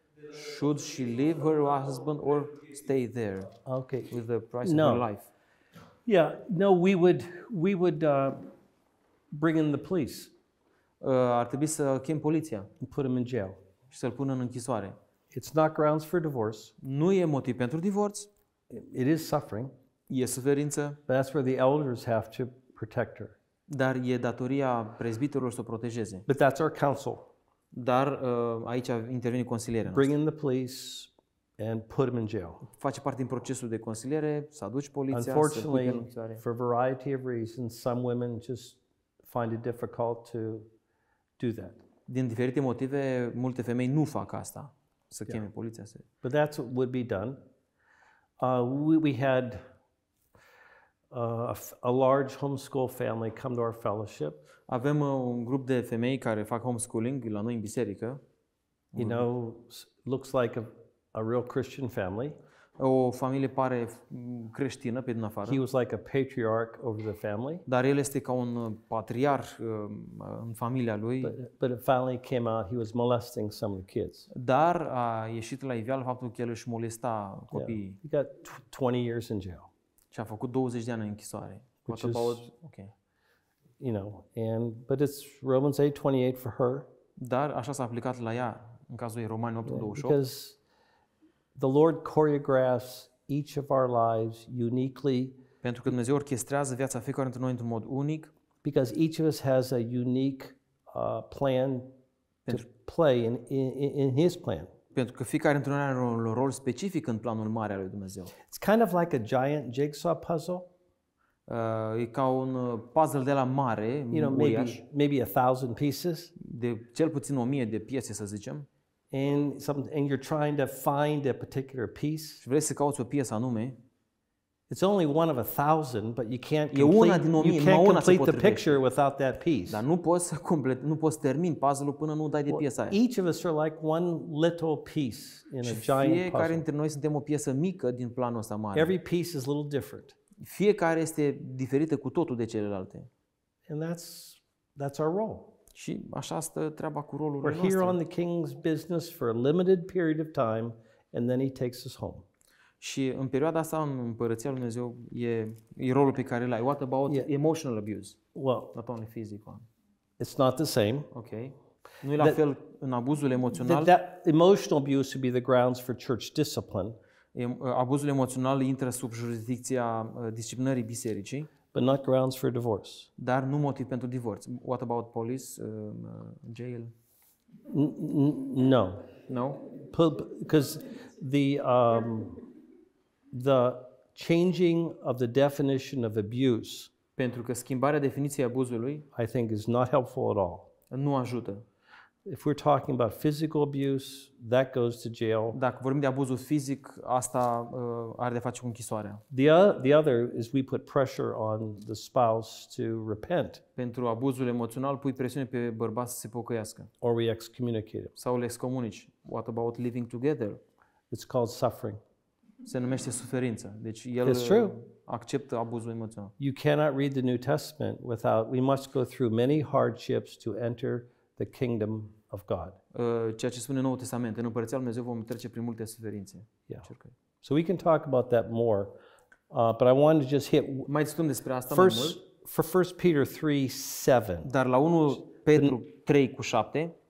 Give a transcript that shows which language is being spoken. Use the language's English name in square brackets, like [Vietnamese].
[English] Should she leave her husband or stay there? Okay. With the price of her life. Yeah, no, we would bring in the police. [Romanian] Ar trebui să chem poliția. [English] Put him in jail. [Romanian] Și să-l pună în închisoare. [English] It's not grounds for divorce. [Romanian] Nu e motiv pentru divorț. [English] It is suffering. [Romanian] E suferință. [English] But that's where the elders have to protect her. [Romanian] Dar e datoria prezbiterilor să o protejeze. [English] But that's our counsel. [Romanian] Dar aici intervine consilierea noastră. [English] Bring in the police and put him in jail. [Romanian] Face parte din procesul de consiliere, să aduci poliția, să-l pui în închisoare. [English] For a variety of reasons, some women just find it difficult to do that. [Romanian] Din diferite motive, multe femei nu fac asta, să cheme poliția. [English] But that's what would be done. We had a large homeschool family come to our fellowship. [Romanian] Avem un grup de femei care fac homeschooling la noi în biserică. [English] You know, looks like a real Christian family. [Romanian] O familie pare creștină pe din afară. [English] He was like a patriarch over the family. [Romanian] Dar el este ca un patriar în familia lui. [English] But it finally came out he was molesting some of the kids. [Romanian] Dar a ieșit la iveală faptul că el își molesta copiii. [English] Yeah. He got 20 years in jail. [Romanian] Și a făcut 20 de ani în închisoare. [English] Which is, okay. You know, and but it's Romans 8:28 for her. [Romanian] Dar așa s-a aplicat la ea în cazul ei, Romani 8:28. [English] Yeah, because the Lord choreographs each of our lives uniquely. [Romanian] Pentru că Dumnezeu orchestrează viața fiecare dintre noi într-un mod unic. [English] Because each of us has a unique plan to play in His plan. [Romanian] Pentru că fiecare dintre noi are un rol specific în planul mare al lui Dumnezeu. [English] It's kind of like a giant jigsaw puzzle. [Romanian] E ca un puzzle de la mare, uriaș. [English] You know, maybe 1,000 pieces. [Romanian] De cel puțin 1,000 de piese, să zicem. [English] And you're trying to find a particular piece. [Romanian] Și vrei să cauți o piesă anume. [English] It's only one of 1,000, but you can't complete. [Romanian] E una din 1,000, [English] you can't complete the picture without that piece. [Romanian] Dar nu poți termina puzzle-ul până nu dai de piesa aia. [English] Each of us are like one little piece in a giant puzzle. [Romanian] Fiecare dintre noi suntem o piesă mică din planul ăsta mare. [English] Every piece is a little different. [Romanian] Fiecare este diferită cu totul de celelalte. [English] And that's our role. [Romanian] Și așa stă treaba cu rolul [English] We're here on the king's business for a limited period of time and then he takes us home. [Romanian] Și în perioada asta în împărăția lui Dumnezeu e rolul pe care îl ai. [English] What about emotional abuse? Well, not only physical. It's not the same. Okay. [Romanian] Nu e la fel în abuzul emoțional. [English] That emotional abuse would be the grounds for church discipline. [Romanian] Abuzul emoțional intră sub jurisdicția disciplinării bisericii. [English] But not grounds for divorce. [Romanian] Dar nu motiv pentru divorț. [English] What about police, jail? No. No. Because the changing of the definition of abuse. [Romanian] Pentru că schimbarea definiției abuzului. [English] I think is not helpful at all. [Romanian] Nu ajută. [English] If we're talking about physical abuse, that goes to jail. [Romanian] Dacă vorbim de abuzul fizic, asta are de face cu închisoarea. [English] The other is we put pressure on the spouse to repent. [Romanian] Pentru abuzul emoțional pui presiune pe bărbat să se pocăiască. [English] Or we excommunicate him. [Romanian] Sau îl excomunici. [English] What about living together? It's called suffering. [Romanian] Se numește suferință. Deci el acceptă abuzul emoțional. [English] You cannot read the New Testament without we must go through many hardships to enter the kingdom of God. [Romanian] Ceea ce spune Noul Testament, în împărăția lui Dumnezeu vom trece prin multe suferințe. [English] Yeah. So we can talk about that more. But I wanted to just hit [Romanian] mai discutăm despre asta [English] first, [Romanian] mai mult. [English] For 1 Peter 3:7. [Romanian] Dar la 1 Petru 3:7.